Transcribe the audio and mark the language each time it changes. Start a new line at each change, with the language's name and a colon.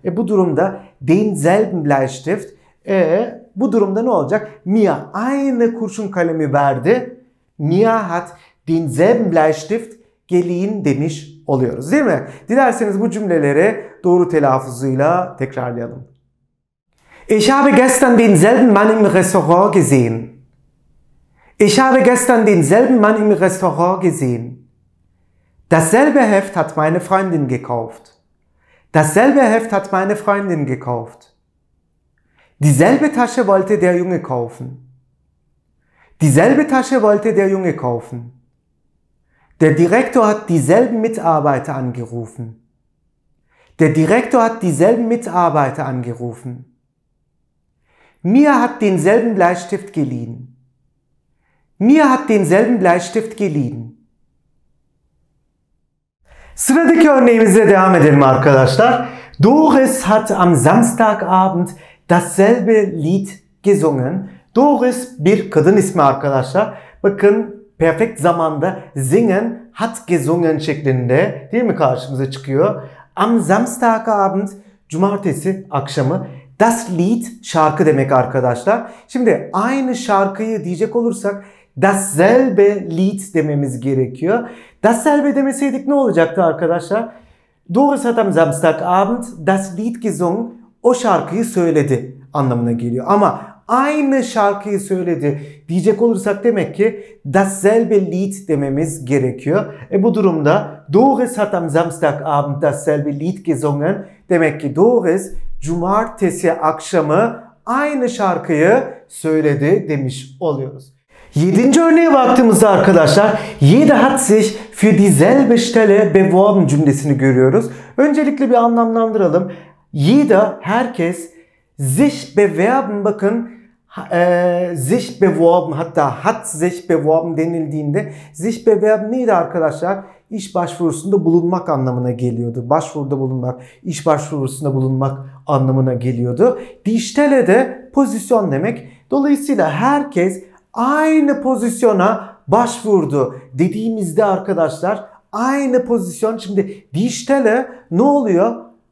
Turkish: Bu durumda denselben Bleistift. Bu durumda ne olacak? Mia aynı kurşun kalemi verdi.
German: Mia hat denselben Bleistift geliehen
Turkish: demiş oluyoruz değil mi? Dilerseniz bu cümleleri doğru telaffuzuyla tekrarlayalım.
German: Ich habe gestern denselben Mann im Restaurant gesehen. Ich habe gestern denselben Mann im Restaurant gesehen. Dasselbe Heft hat meine Freundin gekauft. Dasselbe Heft hat meine Freundin gekauft. Dieselbe Tasche wollte der Junge kaufen. Dieselbe Tasche wollte der Junge kaufen. Der Direktor hat dieselben Mitarbeiter angerufen. Der Direktor hat dieselben Mitarbeiter angerufen. Mia hat denselben Bleistift geliehen. Mia hat denselben Bleistift geliehen.
Turkish: Sıradaki örneğimize devam edelim arkadaşlar.
German: Doris hat am Samstagabend dasselbe Lied gesungen.
Turkish: Doris bir kadın ismi arkadaşlar. Bakın perfekt zamanda singen hat gesungen şeklinde değil mi karşımıza çıkıyor.
German: Am Samstagabend
Turkish: cumartesi akşamı das Lied şarkı demek arkadaşlar. Şimdi aynı şarkıyı diyecek olursak dasselbe Lied dememiz gerekiyor. Dasselbe demeseydik ne olacaktı arkadaşlar?
German: Doris hat am Samstagabend das Lied gesungen.
Turkish: O şarkıyı söyledi anlamına geliyor. Ama aynı şarkıyı söyledi diyecek olursak demek ki dasselbe Lied dememiz gerekiyor. Bu durumda Doris
German: hat am Samstagabend dasselbe Lied gesungen.
Turkish: Demek ki Doris cumartesi akşamı aynı şarkıyı söyledi demiş oluyoruz. Yedinci örneğe baktığımızda arkadaşlar
German: jeder hat sich für dieselbe Stelle beworben
Turkish: cümlesini görüyoruz. Öncelikle bir anlamlandıralım. Jeder, herkes, sich bewerben, bakın sich beworben, hatta
German: hat sich beworben
Turkish: denildiğinde sich bewerben neydi arkadaşlar? İş başvurusunda bulunmak anlamına geliyordu. Başvuruda bulunmak, iş başvurusunda bulunmak anlamına geliyordu. Die Stelle de pozisyon demek. Dolayısıyla herkes aynı pozisyona başvurdu dediğimizde arkadaşlar, aynı pozisyon, şimdi die Stelle ne oluyor?